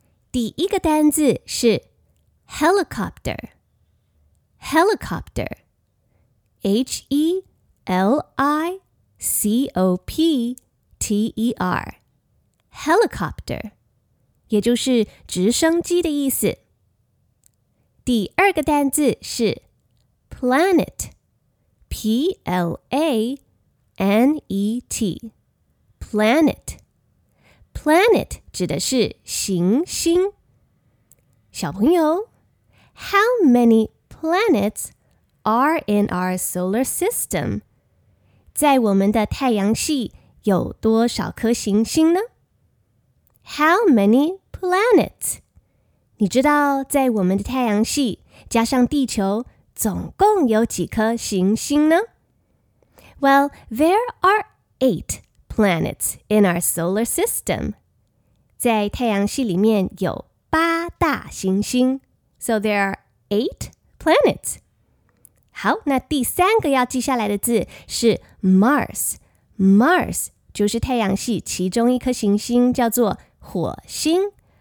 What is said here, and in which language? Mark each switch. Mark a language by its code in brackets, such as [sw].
[zh] 第一个单字是 helicopter， H-E-L-I-C-O-P-T-E-R， helicopter， 也就是直升机的意思。第二个单字是 planet。 P-L-A-N-E-T Planet Planet 指的是行星。小朋友， [en] How many planets are in our solar system? [zh] 在我们的太阳系有多少颗行星呢？ [en] How many planets? [zh] 你知道在我们的太阳系加上地球总共有几颗行星呢？ [en] Well, there are 8 planets in our solar system. [zh] 在太阳系里面有八大行星。 [en] So there are 8 planets. [zh] 好，那第三个要记下来的字是 Mars. Mars 就是太阳系其中一颗行星，叫做火星。